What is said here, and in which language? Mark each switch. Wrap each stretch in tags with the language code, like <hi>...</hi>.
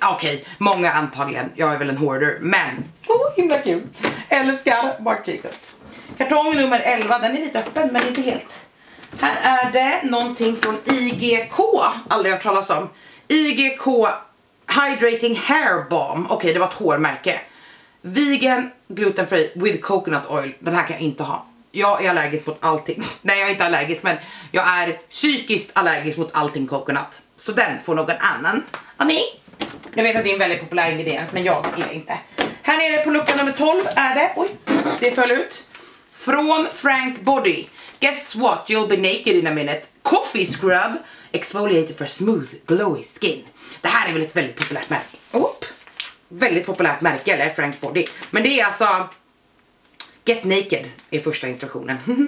<sv>Okej, många antagligen. Jag är väl en hoarder, men så himla kul. Älskar Marc Jacobs. Kartong nummer 11, den är lite öppen men inte helt. Här är det någonting från IGK, aldrig hört talas om.</sv> <en>IGK Hydrating Hair Balm.</en> <sv>Okej, det var ett hårmärke.</sv> <en>Vegan glutenfri with coconut oil.</en> <sv>Den här kan jag inte ha. Jag är allergisk mot allting. Nej, jag är inte allergisk, men jag är psykiskt allergisk mot allting coconut. Så den får någon annan. Ami. Jag vet att det är en väldigt populär ingrediens, men jag är inte. Här nere på lucka nummer 12 är det. Oj, Det föll ut. Från Frank Body.</sv> <en>Guess what, you'll be naked in a minute. Coffee scrub, exfoliator for smooth, glowy skin.</en> <sv>Det här är väl ett väldigt populärt märke. Oop. Väldigt populärt märke, eller Frank Body. Men det är alltså,</sv> <en>get naked</en> <sv>är första instruktionen.</sv>